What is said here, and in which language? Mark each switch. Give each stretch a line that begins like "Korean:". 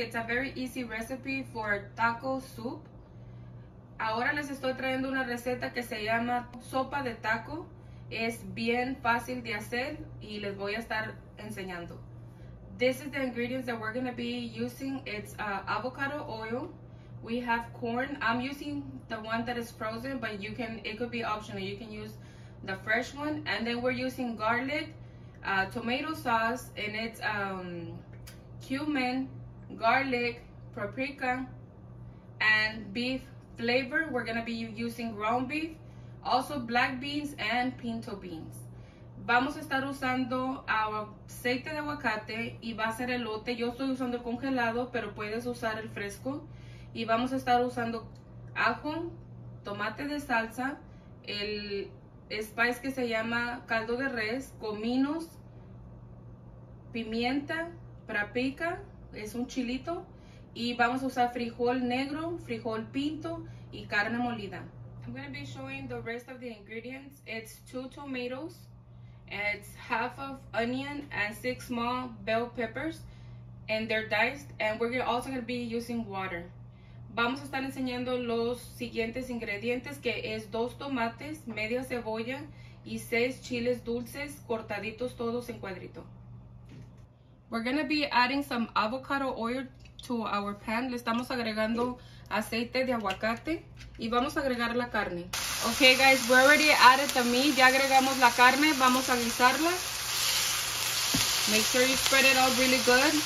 English: It's a very easy recipe for taco soup.
Spanish: Ahora les estoy trayendo una receta que se llama sopa de taco. Es bien fácil de hacer y les voy a estar enseñando.
English: This is the ingredients that we're going to be using. It's avocado oil. We have corn. I'm using the one that is frozen, but you can, it could be optional. You can use the fresh one. And then we're using garlic, tomato sauce, and it's cumin, garlic, paprika, and beef flavor. We're gonna be using ground beef, also black beans and pinto beans.
Spanish: Vamos a estar usando aceite de aguacate y va a ser elote. Yo estoy usando congelado, pero puedes usar el fresco. Y vamos a estar usando ajo, tomate de salsa, el spice que se llama caldo de res, cominos, pimienta, paprika, es un chilito, y vamos a usar frijol negro, frijol pinto y carne molida.
English: I'm going to be showing the rest of the ingredients. It's two tomatoes, it's half of onion and six small bell peppers, and they're diced, and we're also going to be using water.
Spanish: Vamos a estar enseñando los siguientes ingredientes, que es dos tomates, media cebolla y seis chiles dulces cortaditos todos en cuadrito.
English: We're going to be adding some avocado oil to our pan.
Spanish: Le estamos agregando aceite de aguacate y vamos a agregar la carne.
English: Okay guys, we already added the meat.
Spanish: Ya agregamos la carne, vamos a guisarla.
English: Make sure you spread it out really good.